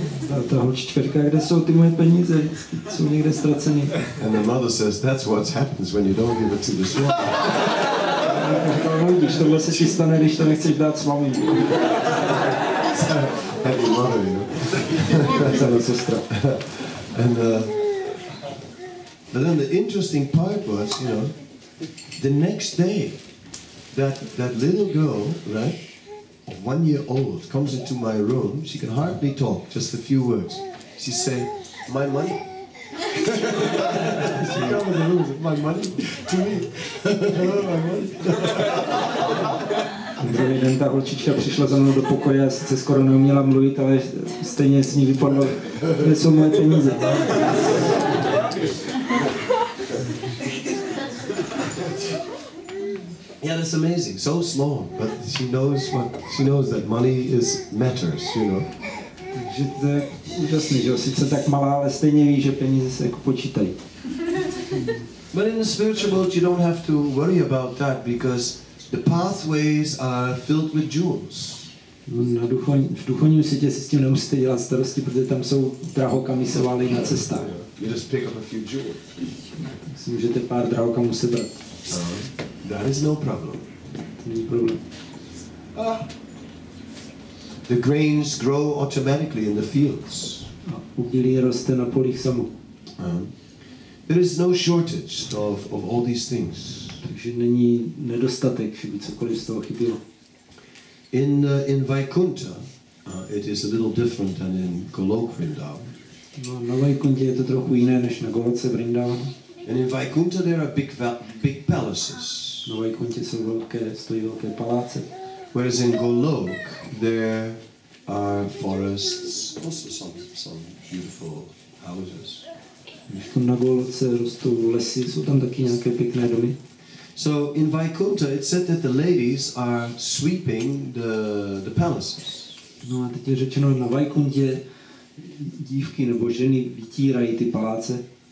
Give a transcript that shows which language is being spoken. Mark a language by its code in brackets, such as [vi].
[cs] A ta holčička říká, kde jsou ty moje peníze? Jsou někde ztracený. [en] And the mother says, that's what happens when you don't give it to the Swami. [cs] A no, když tohle se ti stane, když to nechceš dát Swami. [en] Happy mother, you know. [cs] Sestra. [en] And, but then the interesting part was, you know, the next day, that little girl, right, 1 year old, comes into my room. She can hardly talk, just a few words. She said, my money. She comes in the room, my money, to me. Hello, my money. [cs] Druhý den ta holčička přišla za mnou do pokoje a sice skoro neuměla mluvit, ale stejně s ní vypadlo, kde jsou moje peníze. [en] Yeah, that's amazing. So small, but she knows that money is matters, you know. [cs] Takže to je úžasný, že sice tak malá, ale stejně ví, že peníze se jako počítají. [en] But in the spiritual world, you don't have to worry about that because the pathways are filled with jewels. [cs] V duchovním světě si s tím nemusíte dělat starosti, protože tam jsou drahokamy se válí na cestách. [en] You just pick up a few jewels. [cs] Si můžete pár drahokamů sebrat. [en] That is no problem. [cs] Není problém. [en] The grains grow automatically in the fields. [cs] A obilí roste na polích samo. [en] There is no shortage of all these things. [cs] Takže není nedostatek, že by cokoliv z toho chybělo. [en] In Vaikuntha, it is a little different than in Goloka Vrindavan. [cs] No, na Vaikuntě je to trochu jiné než na Goloce Vrindavan. [en] And in Vaikuntha there are big palaces. [cs] Na Vaikuntě jsou velké paláce. [en] Whereas in Golok there are forests, also some beautiful houses. [cs] Na Goloce rostou lesy, jsou tam taky nějaké pěkné domy. [en] So in Vaikuntha it said that the ladies are sweeping the palaces. [cs] No a teď je řečeno, na Vaikuntě dívky nebo ženy vytírají ty paláce.